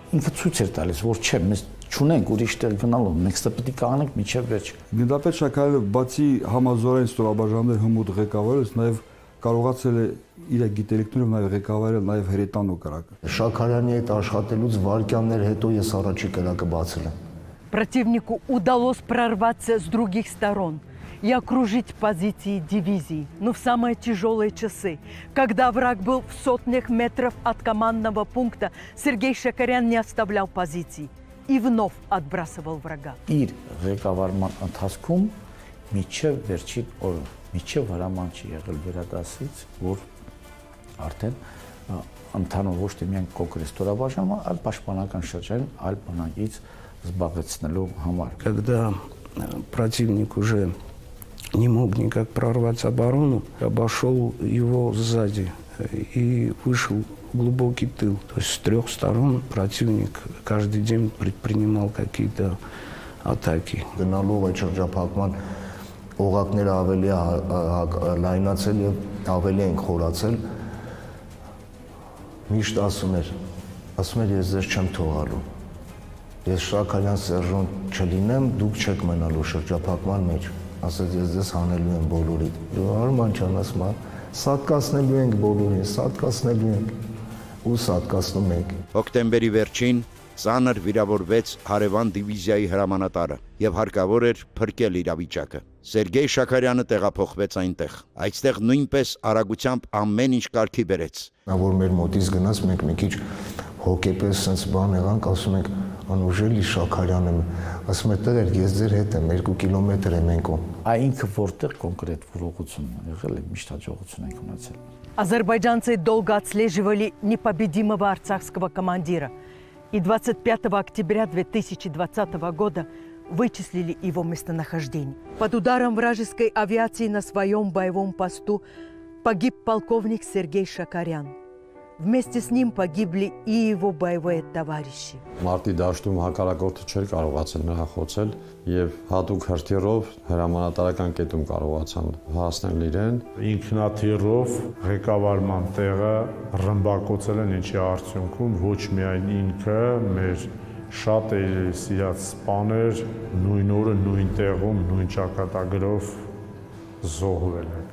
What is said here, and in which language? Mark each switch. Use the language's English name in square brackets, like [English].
[Armenian] Ինքը ցույց էր տալիս, որ չէ, մենք չունենք ուրիշ տեղ գնալու, մենք սա պետք է կանենք մինչև վերջ։ Գնդապետ Շաքարյանը բացի համազորային ստորաբաժաններ հմուտ ղեկավարելուց նաև կարողացել է իր գիտելիքներով նաև ղեկավարել նաև հրետանո կրակը։ Շաքարյանի հետ աշխատելուց վարկյաններ հետո ես առաջի կրակը բացել եմ։ [Russian] Противнику удалось прорваться с других сторон и окружить позиции дивизии. Но в самые тяжелые часы, когда враг был в сотнях метров от командного пункта, Сергей Шаккарян не оставлял позиций. и вновь отбрасывал врага. [Armenian] Իր ղեկավարման ընթացքում միջև վերջին օրը, միջև հրաման չի եղել վերադասից, որ արդեն ընդհանուր ոչ թե միայն կոնկրետ ստորաբաժանումը, այլ պաշտպանական շրջանը այլ բանակից զբաղեցնելու համար։ [Russian] Когда противник уже не мог никак прорвать оборону, обошёл его сзади и вышел глубокий тыл. То есть с трех сторон противник каждый день предпринимал какие-то атаки. [Armenian] Գնալով այդ շրջապատման օղակները ավելի լայնացել եւ ավելի են խորացել, միշտ ասում էր ես ձեզ չեմ թողալու, ես Շաքարյան Սերժոն չլինեմ, դուք չեք մնալու շրջապատման մեջ, ասած ես ձեզ հանելու եմ բոլորին։ Եվ Արման ջան, ասում են սատկացնելու ենք բոլորին, սատկացնելու ենք ու սատկացնում ենք։ Հոկտեմբերի վերջին ծանր վիրավորվեց հարևան դիվիզիայի հրամանատարը եւ հարկավոր էր փրկել իրավիճակը։ Սերգեյ Շաքարյանը տեղափոխվեց այնտեղ, այստեղ նույնպես արագությամբ ամեն ինչ կարգի բերեց։ Նա որ մեր մոտից գնաց, մենք մի քիչ հոգեպես սենց բան եղանք, ասում ենք անուժելի Շաքարյան եմ, ասում է տղեր ես ձեր հետ եմ, 2 կիլոմետր եմ ենք ու ա ինքը որտեղ կոնկրետ ուղղություն եղել է, միշտ հաջողություն ենք ունեցել։ [Russian] Азербайджанцы долго отслеживали непобедимого арцахского командира и 25 октября 2020 года вычислили его местонахождение. Под ударом вражеской авиации на своем боевом посту погиб полковник Сергей Шакарян. Вместе с ним погибли и его боевые товарищи. [Armenian] Մարտի դաշտում հակարակորդը չէր կարողացել նրա խոցել եւ հատուկ հրթիռով հրամանատարական կետում կարողացան հասնել իրեն։ Ինքնաթիռով ղեկավարման տեղը ռմբակոծել են, ինչի արդյունքում ոչ միայն ինքը, մեր շատ սիրած սպաներ նույն օրը նույն տեղում նույն ճակատագրով զոհվել են։